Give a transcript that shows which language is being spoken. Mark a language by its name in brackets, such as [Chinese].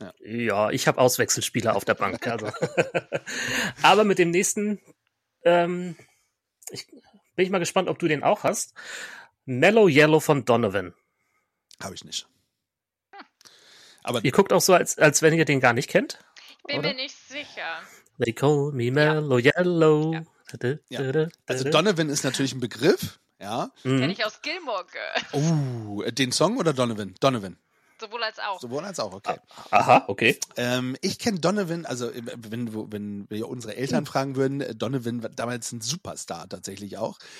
[German] Ja, ich habe Auswechselspieler auf der Bank. Also. Aber mit dem nächsten, bin ich mal gespannt, ob du den auch hast. Mellow Yellow von Donovan. Habe ich nicht. Aber ihr guckt auch so, als wenn ihr den gar nicht kennt. Ich bin mir nicht sicher. [English] They call me Mellow Yellow. [German] Ja. Ja. Also Donovan ist natürlich ein Begriff, ja. Kenne ich aus Gilmore Girls. Den Song oder Donovan? Donovan. Sowohl als auch. Sowohl als auch, okay. Aha, okay. Ich kenne Donovan, also wenn wir unsere Eltern fragen würden, Donovan war damals ein Superstar tatsächlich auch.